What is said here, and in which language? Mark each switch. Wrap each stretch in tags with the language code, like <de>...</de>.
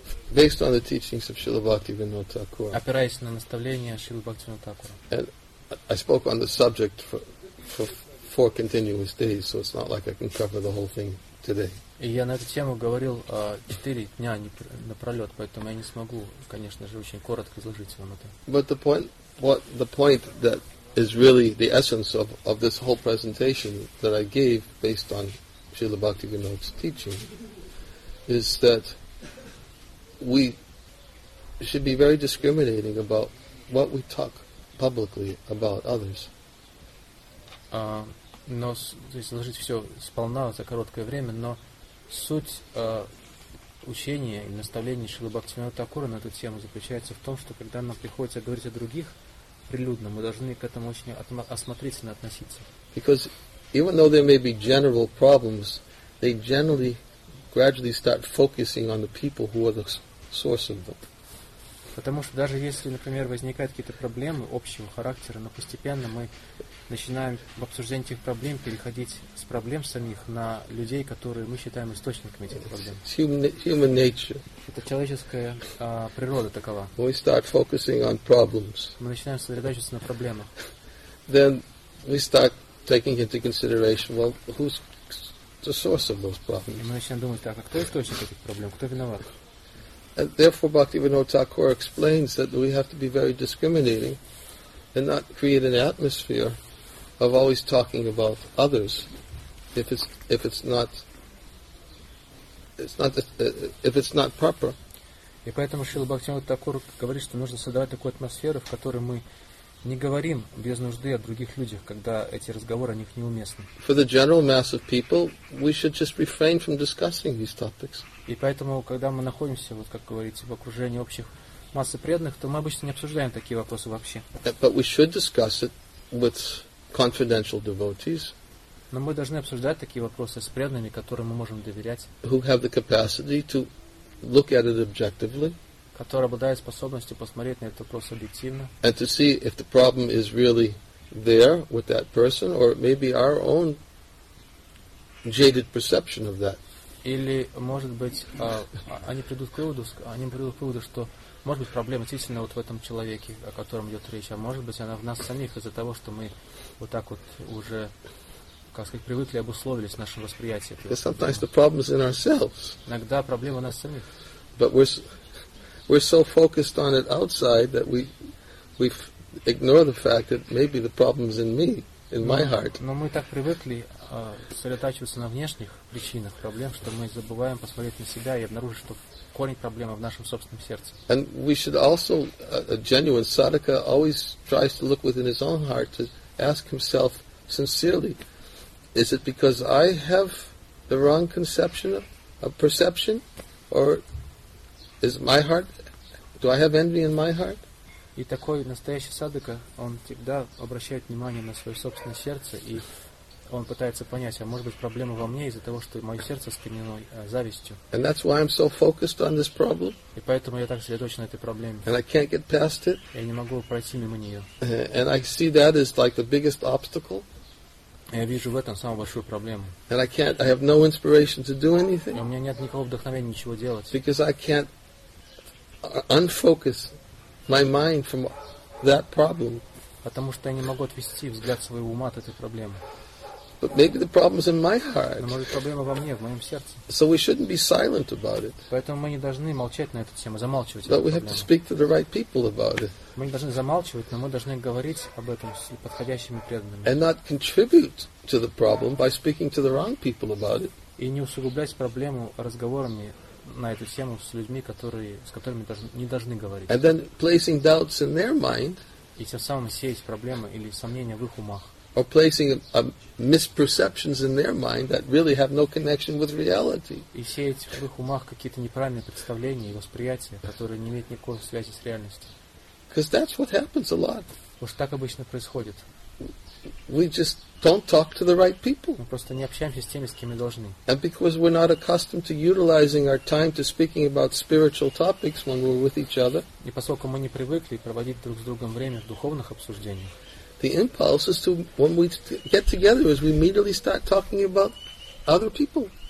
<en>Based on the teachings of Srila Bhaktivinoda Thakur.</en> <ru>Опираясь на наставления Шрилы Бхактивинода Тхакура.</ru> <en>I spoke on the subject for 4 continuous days, so it's not like I can cover the whole thing today.</en> <ru>И я на эту тему говорил 4 дня напролет, поэтому я не смогу, конечно же, очень коротко изложить вам это.</ru> <en>But the point that is really the essence of this whole presentation that I gave based on Srila Bhaktivinoda's teaching is that we should be very discriminating about what we talk publicly about others.</en> <ru>Но здесь изложить все сполна за короткое время, но суть учения и наставления Шрилы Бхактивинода Тхакура на эту тему заключается в том, что когда нам приходится говорить о других прилюдно, мы должны к этому очень осмотрительно относиться.</ru> <en>Because even though there may be general problems, they generally gradually start focusing on the people who are the source of them.</en> <ru>Потому что даже если, например, возникают какие-то проблемы общего характера, но постепенно мы начинаем в обсуждении этих проблем переходить с проблем самих на людей, которые мы считаем источниками этих проблем.</ru> <en>Human nature.</en> <ru>Это человеческая природа такова.</ru> <en>When we start focusing on problems,</en> <ru>мы начинаем сосредотачиваться на проблемах.</ru> <en>Then we start taking into consideration, well, who's the source of those problems?</en> <ru>И мы начинаем думать, так, а кто источник этих проблем, кто виноват?</ru> <en>And therefore, Bhaktivinoda Thakur explains that we have to be very discriminating and not create an atmosphere of always talking about others if it's not proper.</en> <ru>И поэтому Шрила Бхактивинода Тхакур говорит, что нужно создавать такую атмосферу, в которой мы не говорим без нужды о других людях, когда эти разговоры о них неуместны.</ru> <en>For the general mass of people, we should just refrain from discussing these topics.</en> <ru>И поэтому, когда мы находимся, вот как говорится, в окружении общих массы преданных, то мы обычно не обсуждаем такие вопросы вообще.</ru> <en>But we should discuss it with confidential devotees.</en> <ru>Но мы должны обсуждать такие вопросы с преданными, которым мы можем доверять.</ru> <en>Who have the capacity to look at it objectively.</en> <ru>Который обладает способностью посмотреть на этот вопрос объективно.</ru> <en>And to see if the problem is really there with that person, or maybe our own jaded perception of that.</en> <ru>Или, может быть, они придут к выводу, что, может быть, проблема действительно вот в этом человеке, о котором идет речь, а может быть, она в нас самих из-за того, что мы вот так вот уже, как сказать, привыкли, обусловились в нашем восприятии.</ru> <en>Because sometimes the problem is in ourselves.</en> <ru>Иногда проблема в нас самих.</ru> <en>But we're so focused on it outside that we ignore the fact that maybe the problem's in me, in my heart.</en> <ru>Но мы так привыкли сосредотачиваться на внешних причинах проблем, что мы забываем посмотреть на себя и обнаружить, что корень проблемы в нашем собственном сердце.</ru> <en>And we should also, a genuine sadhaka always tries to look within his own heart to ask himself sincerely, is it because I have the wrong conception of perception, or is my heart, do I have envy in my heart?</en> <ru>И такой настоящий садака, он всегда обращает внимание на свое собственное сердце, и он пытается понять, а может быть проблема во мне из-за того, что мое сердце склонено завистью.</ru> <en>And that's why I'm so focused on this problem.</en> <ru>И поэтому я так сосредоточен на этой проблеме.</ru> <en>And I can't get past it.</en> <ru>Я не могу пройти мимо нее.</ru> <en>And I see that as like the biggest obstacle.</en> <ru>Я вижу в этом самую большую проблему.</ru> <en>And I can't, I have no inspiration to do anything.</en> <ru>У меня нет никакого вдохновения ничего делать.</ru> <en>Because I can't unfocus my mind from that problem.</en> <ru>Потому что я не могу отвести взгляд своего ума от этой проблемы.</ru> <en>But maybe the problem's in my heart.</en> <ru>Но может проблема во мне, в моем сердце.</ru> <en>So we shouldn't be silent about it.</en> <ru>Поэтому мы не должны молчать на эту тему, замалчивать эту проблему.</ru> <en>But we have to speak to the right people about it.</en> <ru>Мы не должны замалчивать, но мы должны говорить об этом с подходящими преданными.</ru> <en>And not contribute to the problem by speaking to the wrong people about it.</en> <ru>И не усугублять проблему разговорами на эту тему с людьми, которые, с которыми не должны говорить.</ru> <en>And then placing doubts in their mind.</en> <ru>И тем самым сеять проблемы или сомнения в их умах.</ru> <en>Or placing misperceptions in their mind that really have no connection with reality.</en> <ru>И сеять в их умах какие-то неправильные представления и восприятия, которые не имеют никакой связи с реальностью.</ru> <en>Because that's what happens a lot.</en> <ru>Уж так обычно происходит.</ru> <en>We just don't talk to the right people.</en> <ru>Мы просто не общаемся с теми, с кем мы должны.</ru> <en>And because we're not accustomed to utilizing our time to speaking about spiritual topics when we're with each other.</en> <ru>И поскольку мы не привыкли проводить друг с другом время в духовных обсуждениях.</ru> <en>The impulse is to, when we get together, is we immediately start talking about other people.</en>